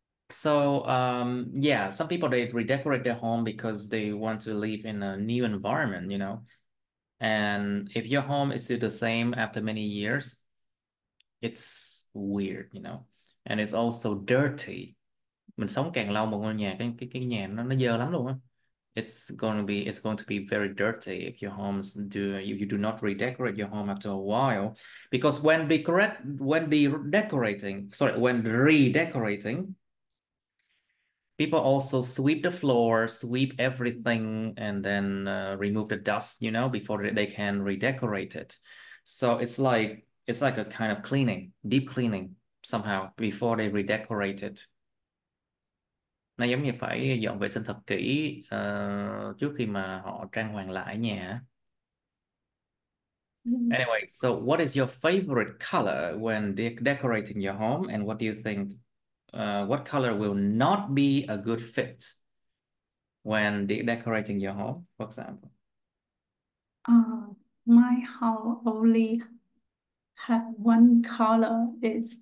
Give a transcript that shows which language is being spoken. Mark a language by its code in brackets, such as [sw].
[en] So yeah, some people they redecorate their home because they want to live in a new environment, you know. And if your home is still the same after many years, it's weird, you know, and it's also dirty. [vi] Mình sống càng lâu mà ngôi nhà cái nhà nó dơ lắm luôn á. [en] It's going to be very dirty if your homes do if you do not redecorate your home after a while, because when redecorating, people also sweep the floor, sweep everything, and then remove the dust, you know, before they can redecorate it. So it's like a kind of cleaning, deep cleaning somehow before they redecorate it. [vi] Nó giống như phải dọn vệ sinh thật kỹ trước khi mà họ trang hoàng lại nhà. [en] Anyway, so what is your favorite color when decorating your home, and what do you think? What color will not be a good fit when decorating your home, for example? My house only have one color. It's